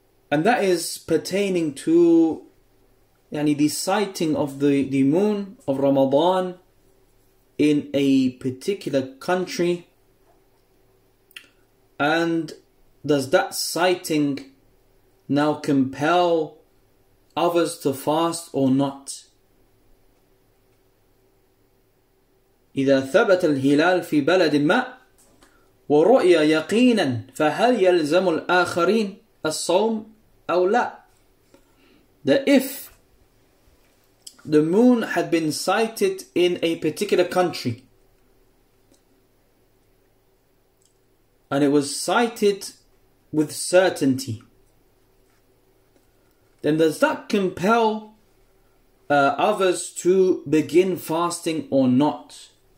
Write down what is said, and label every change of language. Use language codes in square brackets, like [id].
[en] And that is pertaining to the sighting of the moon of Ramadan in a particular country. And does that sighting now compel others to fast or not? [ar] إذا ثبت الهلال في بلد ما ورؤيا يقينا فهل يلزم الآخرين الصوم أو لا? [en] That if the moon had been sighted in a particular country and it was sighted with certainty, then does that compel others to begin fasting or not?